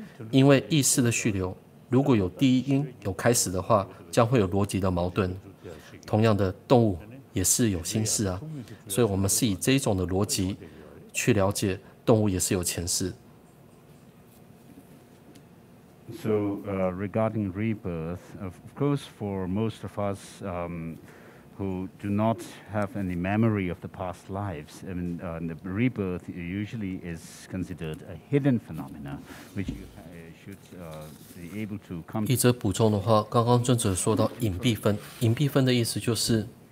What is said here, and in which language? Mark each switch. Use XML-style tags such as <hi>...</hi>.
<zh>因为意识的续流，如果有第一因有开始的话，将会有逻辑的矛盾。同样的，动物也是有心事啊，所以我们是以这种的逻辑去了解动物也是有前世。</zh> <en>So, regarding rebirth, of course, for most of us, who do not have any memory of the past lives, I mean, the rebirth usually is considered a hidden phenomena, which you should be able to come.</en> <zh>一则补充的话，刚刚尊者说到隐蔽分，隐蔽分的意思就是。</zh>